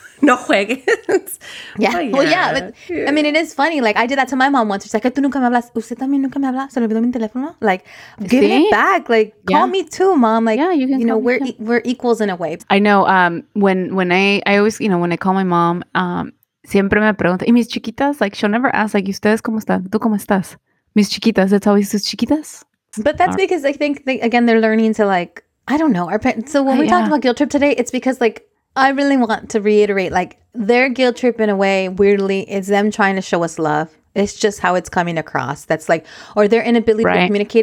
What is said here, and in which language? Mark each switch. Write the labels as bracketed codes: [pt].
[es] No juegues. [en] Yeah. Oh, yeah. Well, yeah, but yeah. I mean, it is funny. Like, I did that to my mom once. She's like, [es] ¿tú nunca me hablas? ¿Usted también nunca me habla? ¿Se le olvidó mi teléfono? [en] Like, give it back. Like, call me too, mom. Like, yeah, you know, we're equals in a way. I know. When I always, you know, when I call my mom, [es] siempre me pregunta. Y mis chiquitas, [en] like, she'll never ask, like, [es] ¿y ustedes cómo están? ¿Tú cómo estás? Mis chiquitas, [en] it's always [es] sus chiquitas. [en] But that's because I think, again, they're learning to, like, I don't know. So when we talked about guilt trip today, it's because, like, I really want to reiterate, like, their guilt trip in a way, weirdly, is them trying to show us love. It's just how it's coming across. That's like, or their inability to communicate.